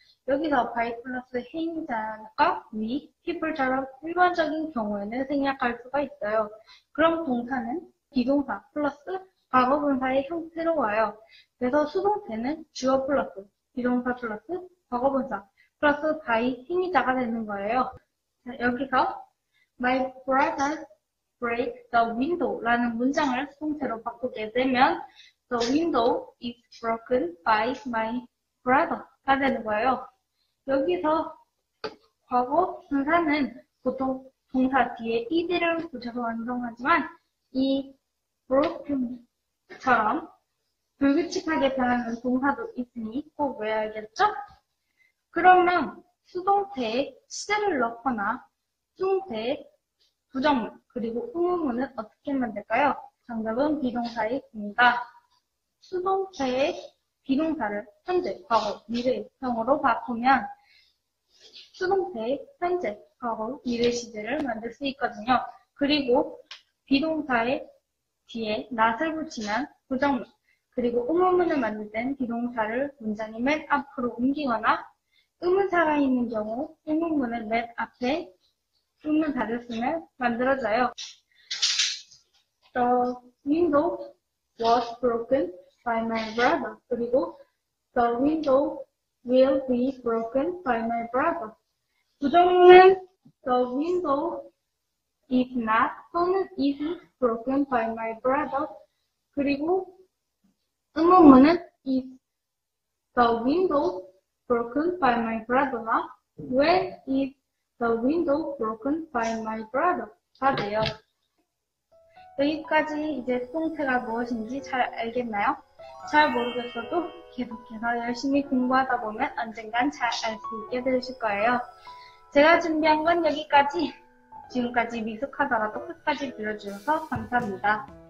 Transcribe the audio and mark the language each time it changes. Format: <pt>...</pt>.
<ko>여기서 by 플러스 행자가 we, people처럼 일반적인 경우에는 생략할 수가 있어요. 그럼 동사는 비동사 플러스 과거분사의 형태로 와요. 그래서 수동태는 주어 플러스 비동사 플러스 과거분사 플러스 by 행자가 되는 거예요. 여기서 my brother break the window라는 문장을 수동태로 바꾸게 되면</ko> <en>the window is broken by my brother</en> <ko>가 되는 거예요. 여기서 과거 분사는 보통 동사 뒤에 ed를 붙여서 완성하지만 이 broken처럼 불규칙하게 변하는 동사도 있으니 꼭 외워야겠죠? 그러면 수동태에 시제를 넣거나 수동태에 부정문 그리고 의문문은 어떻게 만들까요? 정답은 비동사입니다. 수동태에 비동사를 현재, 과거, 미래 형으로 바꾸면 수동태의 현재, 과거, 미래 시제를 만들 수 있거든요. 그리고 비동사의 뒤에 not을 붙이면 부정문, 그리고 의문문을 만들 땐 비동사를 문장의 맨 앞으로 옮기거나 의문사가 있는 경우 의문문을 맨 앞에 의문사를 쓰면 만들어져요.</ko> <en>The window was broken by my brother.</en> <ko>그리고</ko> <en>the window will be broken by my brother.</en> <ko>부정문은</ko> <en>the window is not</en> <ko>또는 isn't broken by my brother. 그리고 의문문은</ko> <en>is the window broken by my brother?</en> <ko>나</ko> <en>where is the window broken by my brother?</en> <ko>다 돼요. 여기까지 이제 수동태가 무엇인지 잘 알겠나요? 잘 모르겠어도 계속해서 열심히 공부하다 보면 언젠간 잘 알 수 있게 되실 거예요. 제가 준비한 건 여기까지. 지금까지 미숙하더라도 끝까지 들어주셔서 감사합니다.</ko>